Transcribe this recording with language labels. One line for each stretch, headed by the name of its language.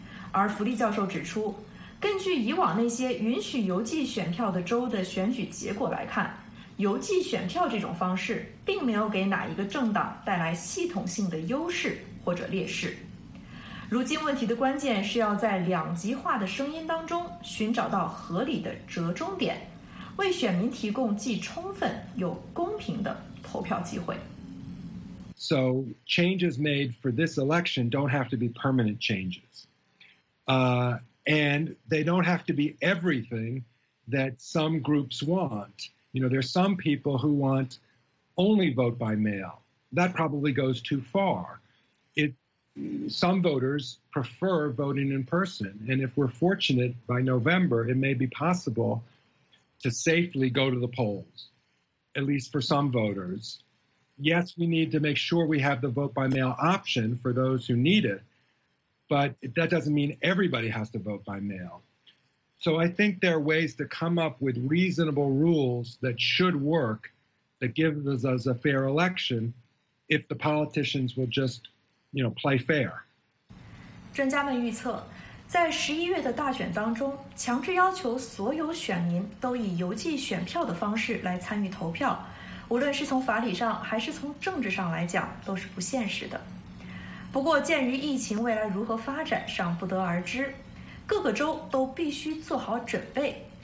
Chinese: 而弗利教授指出，根据以往那些允许邮寄选票的州的选举结果来看，邮寄选票这种方式并没有给哪一个政党带来系统性的优势或者劣势。如今问题的关键是要在两极化的声音当中寻找到合理的折中点，为选民提供既充分又公平的投票机会。
English: So changes made for this election don't have to be permanent changes. And they don't have to be everything that some groups want. You know, there's some people who want only vote by mail. That probably goes too far. Some voters prefer voting in person. And if we're fortunate by November, it may be possible to safely go to the polls, at least for some voters. Yes, we need to make sure we have the vote by mail option for those who need it, but that doesn't mean everybody has to vote by mail. So I think there are ways to come up with reasonable rules that should work, that gives us a fair election, if the politicians will just, you know, play fair.
Chinese: 专家们预测，在11月的大选当中，强制要求所有选民都以邮寄选票的方式来参与投票，无论是从法理上还是从政治上来讲，都是不现实的。不过，鉴于疫情未来如何发展尚不得而知，各个州都必须做好准备。